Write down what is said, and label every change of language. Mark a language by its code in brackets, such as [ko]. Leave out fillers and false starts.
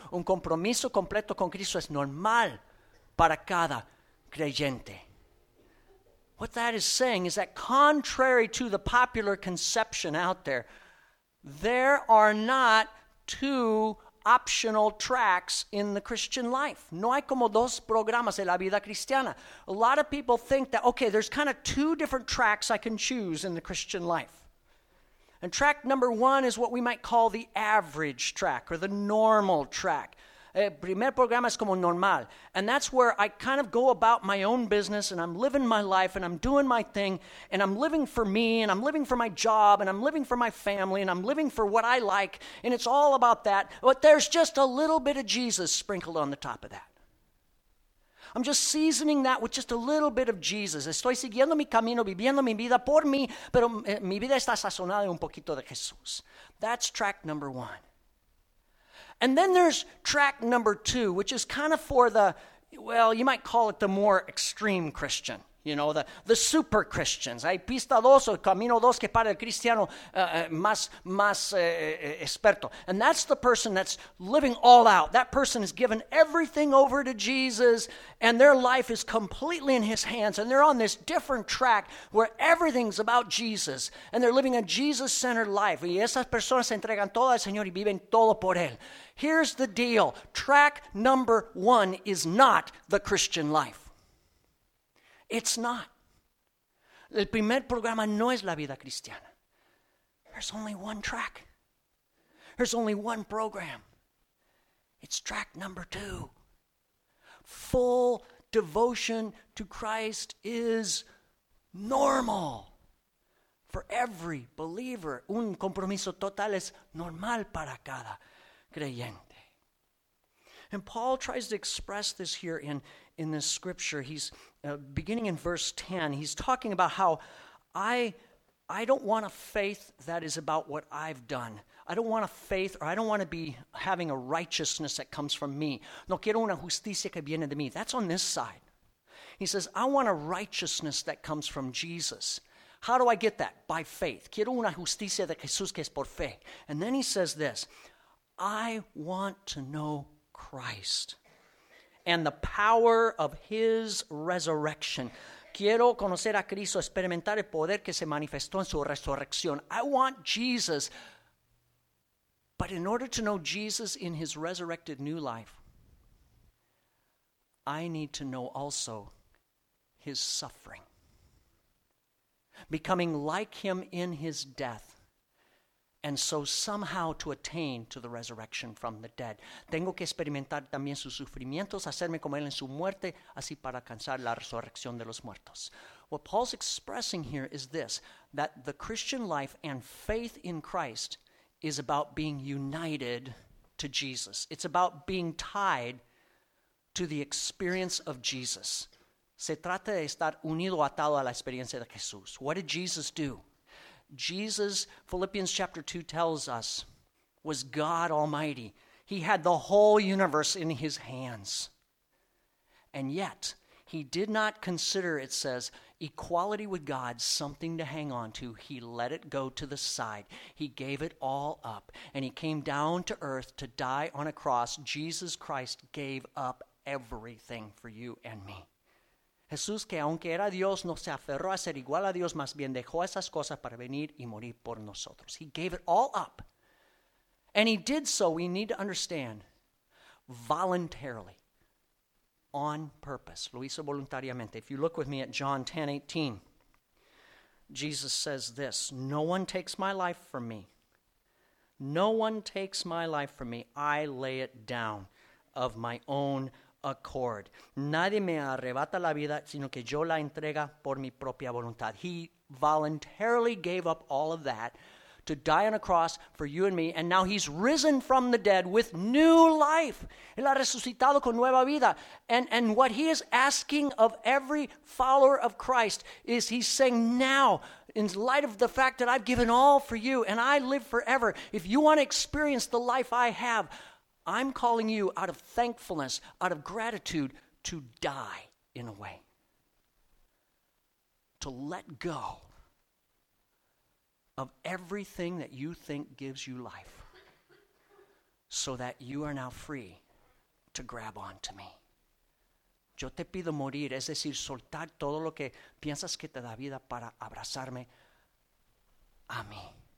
[es] Un compromiso completo con Cristo es normal para cada creyente. [en] What that is saying is that contrary to the popular conception out there, there are not two optional tracks in the Christian life. [es] No hay como dos programas en la vida cristiana. [en] A lot of people think that, okay, there's kind of two different tracks I can choose in the Christian life. And track number one is what we might call the average track or the normal track. [es] El primer programa es como normal. [en] And that's where I kind of go about my own business and I'm living my life and I'm doing my thing and I'm living for me and I'm living for my job and I'm living for my family and I'm living for what I like and it's all about that. But there's just a little bit of Jesus sprinkled on the top of that. I'm just seasoning that with just a little bit of Jesus. [es] Estoy siguiendo mi camino, viviendo mi vida por mí, pero mi vida está sazonada un poquito de Jesús. [en] That's track number one. And then there's track number two, which is kind of for the, well, you might call it the more extreme Christian, you know, the super Christians. [es] Hay pista dos, camino dos que para el cristiano más experto. [en] And that's the person that's living all out. That person has given everything over to Jesus, and their life is completely in his hands, and they're on this different track where everything's about Jesus, and they're living a Jesus-centered life. [es] Y esas personas se entregan todo al Señor y viven todo por él. [en] Here's the deal. Track number one is not the Christian life. It's not. [es] El primer programa no es la vida cristiana. [en] There's only one track. There's only one program. It's track number two. Full devotion to Christ is normal for every believer. [es] Un compromiso total es normal para cada creyente. [en] And Paul tries to express this here in this scripture. He's beginning in verse 10, he's talking about how I don't want a faith that is about what I've done. I don't want a faith, or I don't want to be having a righteousness that comes from me. [es] No quiero una justicia que viene de mí. [en] That's on this side. He says, I want a righteousness that comes from Jesus. How do I get that? By faith. [es] Quiero una justicia de Jesús que es por fe. [en] And then he says this, I want to know Christ and the power of his resurrection. [es] Quiero conocer a Cristo, experimentar el poder que se manifestó en su resurrección. [en] I want Jesus. But in order to know Jesus in his resurrected new life, I need to know also his suffering. Becoming like him in his death. And so somehow to attain to the resurrection from the dead. [es] Tengo que experimentar también sus sufrimientos, hacerme como él en su muerte, así para alcanzar la resurrección de los muertos. [en] What Paul's expressing here is this, that the Christian life and faith in Christ is about being united to Jesus. It's about being tied to the experience of Jesus. [es] Se trata de estar unido o atado a la experiencia de Jesús. [en] What did Jesus do? Jesus, Philippians chapter 2 tells us, was God Almighty. He had the whole universe in his hands. And yet, he did not consider, it says, equality with God something to hang on to. He let it go to the side. He gave it all up. And he came down to earth to die on a cross. Jesus Christ gave up everything for you and me. [es] Jesús, que aunque era Dios, no se aferró a ser igual a Dios, más bien dejó esas cosas para venir y morir por nosotros. [en] He gave it all up. And he did so, we need to understand, voluntarily, on purpose. [es] Lo hizo voluntariamente. [en] If you look with me at John 10:18, Jesus says this, no one takes my life from me. No one takes my life from me. I lay it down of my own accord. [es] Nadie me arrebata la vida, sino que yo la entrega por mi propia voluntad. [en] He voluntarily gave up all of that to die on a cross for you and me, and now he's risen from the dead with new life. [es] Él ha resucitado con nueva vida. [en] And what he is asking of every follower of Christ is he's saying, now, in light of the fact that I've given all for you and I live forever, if you want to experience the life I have, I'm calling you out of thankfulness, out of gratitude, to die in a way. To let go of everything that you think gives you life so that you are now free to grab on to me. [es] Yo te pido morir, es decir, soltar todo lo que piensas que te da vida para abrazarme a mí.